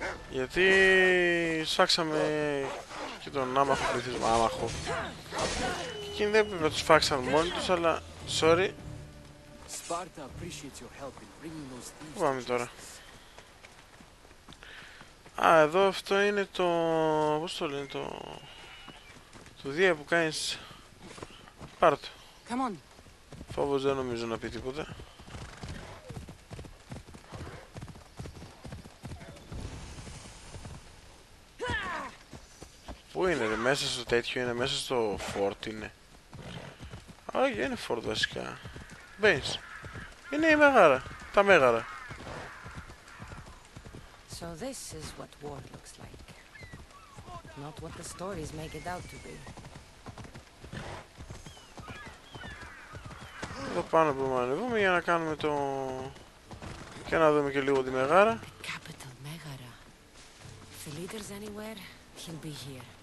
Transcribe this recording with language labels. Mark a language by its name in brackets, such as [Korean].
[Greek] Γιατί σφάξαμε και τον άμαχο πληθυσμό. Άμαχο. Και εκείνοι δεν πρέπει να τους φάξαν μόνοι τους, αλλά... [English] Sorry. Sparta appreciates your help in bringing those thieves. [Greek] Πού πάμε τώρα. Α, εδώ αυτό είναι το... Πώς το λένε το... Το δία που κάνεις. Πάρ' το. [English] Come on. [Greek] Φόβος δεν νομίζω να πει τίποτα. Πού είναι, ρε, μέσα στο τέτοιο είναι, μέσα στο φόρτ είναι. Όχι, είναι φόρτ βασικά. Μπες. Είναι η μέγαρα. Τα μέγαρα. [English] So this is what war looks like. Not what the stories make it out to be. [Greek] Εδώ πάνω μπορούμε να ανεβούμε για να κάνουμε το... και να δούμε και λίγο τη Μεγάρα. [English] Capital Megara. The leader's anywhere, he'll be here.